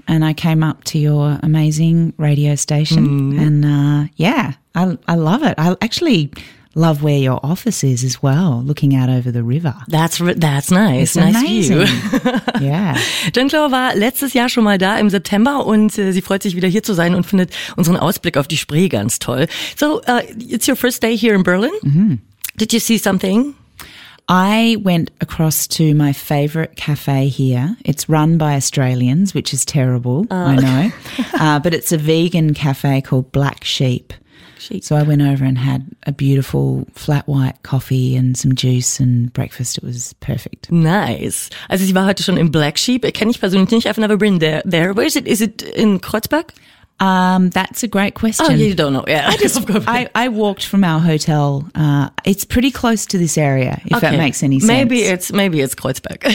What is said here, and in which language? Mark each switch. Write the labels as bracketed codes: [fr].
[en] And I came up to your amazing radio station. Mm. And I love it. I actually love where your office is as well, looking out over the river. That's nice. It's nice amazing. View. Yeah. [de] Jean-Claude war letztes Jahr schon mal da im September und sie freut sich wieder hier zu sein und findet unseren Ausblick auf die Spree ganz toll. [en] So, it's your first day here in Berlin. Mm-hmm. Did you see something? I went across to my favorite cafe here. It's run by Australians, which is terrible, I know. but it's a vegan cafe called Black Sheep. So I went over and had a beautiful flat white coffee and some juice and breakfast. It was perfect. Nice. [de] Also sie war heute schon in Black Sheep. Kenne ich persönlich nicht. [en] I've never been there. Where is it? Is it in Kreuzberg? That's a great question. Oh, you don't know. Yeah. I walked from our hotel. It's pretty close to this area, if okay. that makes any sense. Maybe it's Kreuzberg.